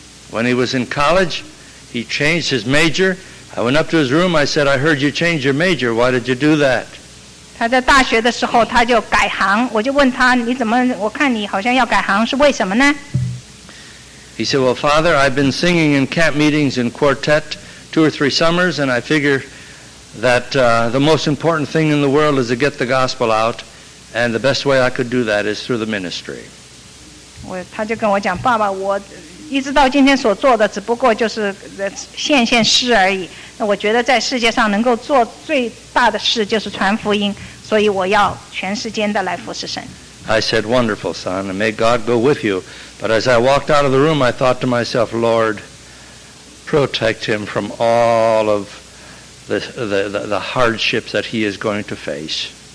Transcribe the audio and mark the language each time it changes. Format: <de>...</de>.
<en>When he was in college, he changed his major. I went up to his room, I said, I heard you change your major, why did you do that?</en> <zh>他在大学的时候他就改行，我就问他，你怎么，我看你好像要改行，是为什么呢？</zh> <en>He said, well, Father, I've been singing in camp meetings in quartet two or three summers, and I figure that the most important thing in the world is to get the gospel out, and the best way I could do that is through the ministry.</en> <zh>他就跟我讲，爸爸，我一直到今天所做的只不过就是献献诗而已。那我觉得在世界上能够做最大的事就是传福音，所以我要全世间的来服侍神。</zh> <en>I said, wonderful, son, and may God go with you. But as I walked out of the room, I thought to myself, Lord, protect him from all of the hardships that he is going to face.</en>